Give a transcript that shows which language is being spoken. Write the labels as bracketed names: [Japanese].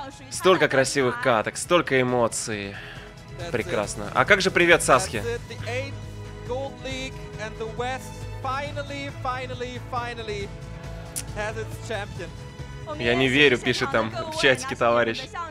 [Russian] Столько красивых каток, столько эмоций. Прекрасно. А как же привет, Саски? [English] Gold League and the West finally has its champion. [Russian] Я не верю, пишет там в чатике товарищ.